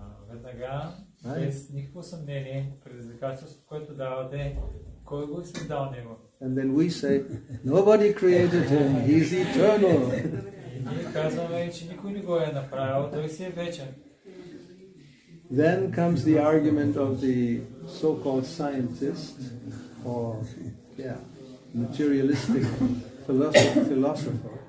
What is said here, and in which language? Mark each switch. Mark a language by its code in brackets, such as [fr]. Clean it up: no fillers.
[bg] Веднага, без никакво съмнение, предизвикателството, което давате, кой го е създал него? [en] And then we say, nobody created him, he is eternal. [bg] И ние казваме, че никой не го е направил, той си е вечен. [en] Then comes the argument of the so-called scientist or materialistic philosopher.